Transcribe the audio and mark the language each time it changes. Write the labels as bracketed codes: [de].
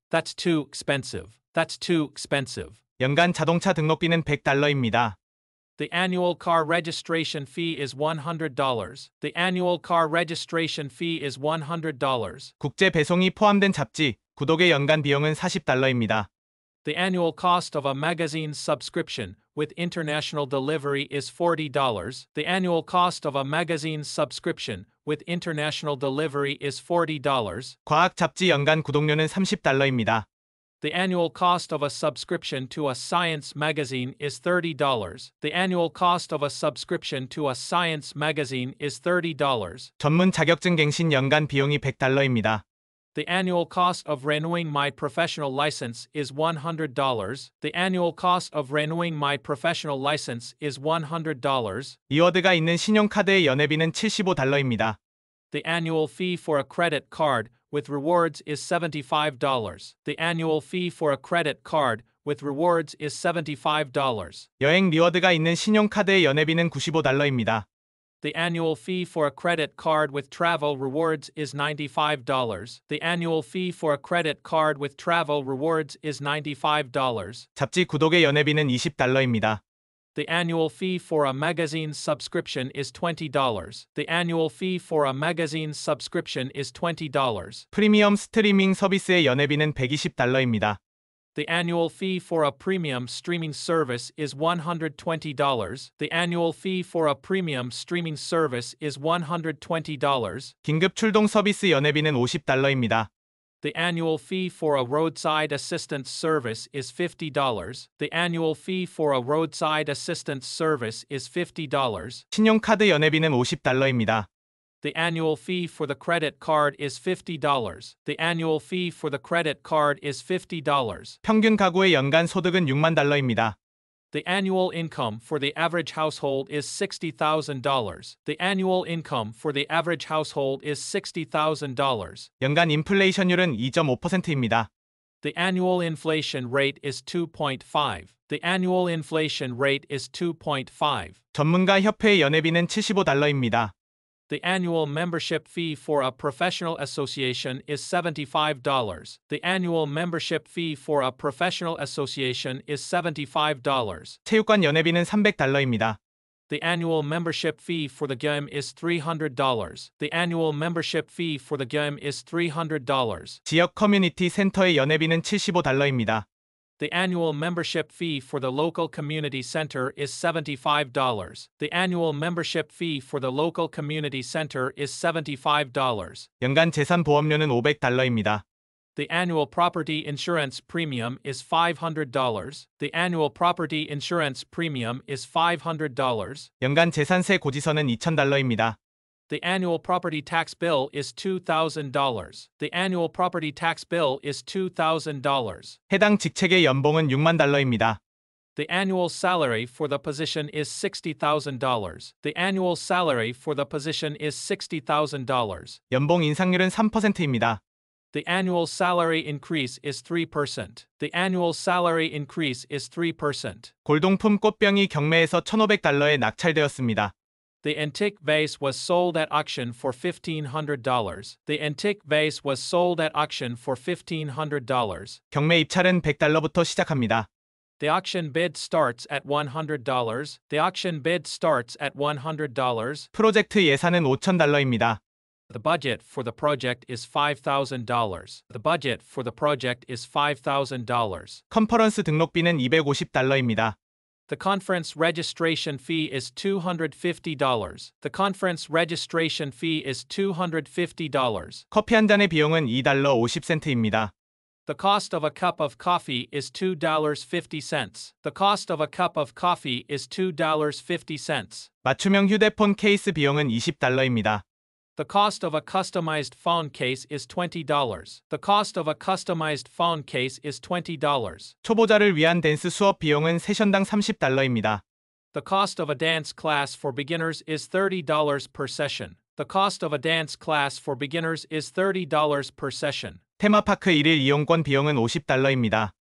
[en] That's too expensive. That's too expensive. [ko] 연간 자동차 등록비는 $100입니다. [en] The annual car registration fee is $100. The annual car registration fee is $100. [ko] 국제 배송이 포함된 잡지, 구독의 연간 비용은 $40입니다. [en] The annual cost of a magazine subscription with international delivery is $40. The annual cost of a magazine subscription with international delivery is $40. [ko] 과학 잡지 연간 구독료는 $30입니다. [en] The annual cost of a subscription to a science magazine is $30. The annual cost of a subscription to a science magazine is $30. [ko] 전문 자격증 갱신 연간 비용이 $100입니다. [en] The annual cost of renewing my professional license is $100. The annual cost of renewing my professional license is $100. [ko] 리워드가 있는 신용카드의 연회비는 $75입니다. [en] The annual fee for a credit card with rewards is $75. The annual fee for a credit card with rewards is $75. [ko] 여행 리워드가 있는 신용카드의 연회비는 $95입니다. [en] The annual fee for a credit card with travel rewards is $95. The annual fee for a credit card with travel rewards is $95. [ko] 잡지 구독의 연회비는 $20입니다. [en] The annual fee for a magazine subscription is $20. The annual fee for a magazine subscription is $20. [ko] 프리미엄 스트리밍 서비스의 연회비는 $120입니다. [en] The annual fee for a premium streaming service is $120. The annual fee for a premium streaming service is $120. [ko] 긴급 출동 서비스 연회비는 $50입니다. [en] The annual fee for a roadside assistance service is $50. The annual fee for a roadside assistance service is $50. [ko] 신용카드 연회비는 $50입니다. [en] The annual fee for the credit card is $50. The annual fee for the credit card is $50. [ko] 평균 가구의 연간 소득은 $60,000입니다. [en] The annual income for the average household is $60,000. The annual income for the average household is $60,000. [ko] 연간 인플레이션율은 2.5%입니다. [en] The annual inflation rate is 2.5. The annual inflation rate is 2.5. [ko] 전문가 협회의 연회비는 $75입니다. [en] The annual membership fee for a professional association is $75. The annual membership fee for a professional association is $75. [ko] 체육관 연회비는 $300입니다. [en] The annual membership fee for the gym is $300. The annual membership fee for the gym is $300. [ko] 지역 커뮤니티 센터의 연회비는 $75입니다. [en] The annual membership fee for the local community center is $75. The annual membership fee for the local community center is $75. [ko] 연간 재산 보험료는 $500입니다. [en] The annual property insurance premium is $500. The annual property insurance premium is $500. [ko] 연간 재산세 고지서는 $2,000입니다. [en] The annual property tax bill is $2,000. The annual property tax bill is $2,000. [ko] 해당 직책의 연봉은 $60,000입니다. [en] The annual salary for the position is $60,000. The annual salary for the position is $60,000. [ko] 연봉 인상률은 3%입니다. [en] The annual salary increase is 3%. The annual salary increase is 3%. [ko] 골동품 꽃병이 경매에서 $1,500에 낙찰되었습니다. [en] The antique vase was sold at auction for $1,500. The antique vase was sold at auction for $1,500. [ko] 경매 입찰은 $100부터 시작합니다. [en] The auction bid starts at $100. The auction bid starts at $100. [ko] 프로젝트 예산은 $5,000입니다. [en] The budget for the project is $5,000. The budget for the project is $5,000. [ko] 컨퍼런스 등록비는 $250입니다. [en] The conference registration fee is $250. The conference registration fee is $250. [ko] 커피 한 잔의 비용은 $2.50입니다. [en] The cost of a cup of coffee is $2.50. The cost of a cup of coffee is $2.50. [ko] 맞춤형 휴대폰 케이스 비용은 $20입니다. [en] The cost of a customized phone case is $20. The cost of a customized phone case is $20. [ko] 초보자를 위한 댄스 수업 비용은 세션당 $30입니다. [en] The cost of a dance class for beginners is $30 per session. The cost of a dance class for beginners is $30 per session. [ko] 테마파크 1일 이용권 비용은 $50입니다.